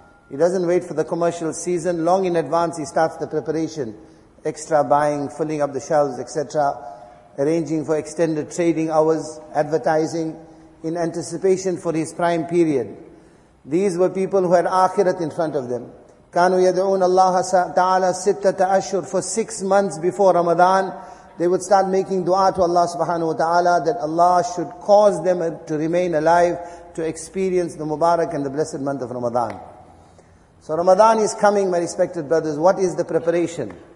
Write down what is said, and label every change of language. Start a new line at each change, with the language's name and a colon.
English: He doesn't wait for the commercial season long in advance. He starts the preparation, extra buying, filling up the shelves, etc., arranging for extended trading hours, advertising in anticipation for his prime period. These were people who had akhirat in front of them.
Arabic: كانوا يدعون الله تعالى ستة أشهر.
English: For 6 months before Ramadan, they would start making dua to Allah subhanahu wa ta'ala that Allah should cause them to remain alive to experience the Mubarak and the blessed month of Ramadan. So Ramadan is coming, my respected brothers. What is the preparation?